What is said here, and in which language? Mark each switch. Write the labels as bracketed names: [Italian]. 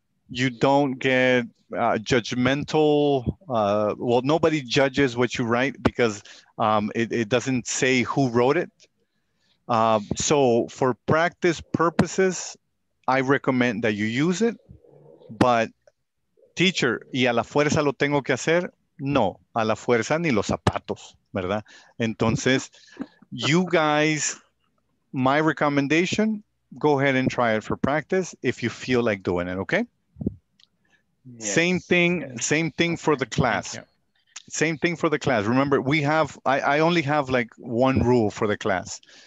[English] You don't get judgmental. Nobody judges what you write because it doesn't say who wrote it. So for practice purposes, I recommend that you use it. But teacher, [Spanish] ¿y a la fuerza lo tengo que hacer? No, a la fuerza ni los zapatos, ¿verdad? Entonces, [English] you guys, my recommendation, go ahead and try it for practice if you feel like doing it, okay? Yes. Same thing for the class. Same thing for the class. Remember, we have, I only have like one rule for the class.